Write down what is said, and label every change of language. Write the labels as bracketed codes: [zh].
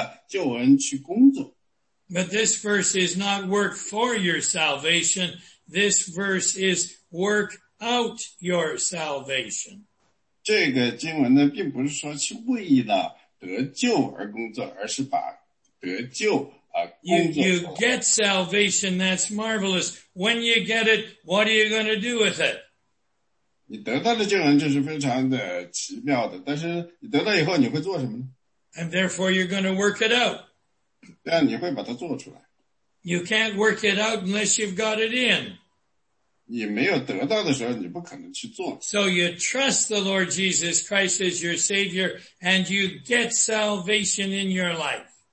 [zh] 就是有些人认为这节经文告诉我们说，我们要为我们的救恩去工作。 [en] But this verse is not work for your salvation. This verse is work out your salvation. [zh] 这个经文呢，并不是说去为了得救而工作，而是把得救工作。 [en] You get salvation, that's marvelous. When you get it, what are you going to do with it? [zh] 你得到的经文就是非常的奇妙的，但是你得到以后你会做什么呢？ [en] And therefore you're going to work it out. [zh] 但你会把它做出来。 [en] You can't work it out unless you've got it in. [zh] 你没有得到的时候，你不可能去做。 [en] So you trust the Lord Jesus Christ as your Savior, and you get salvation in your life.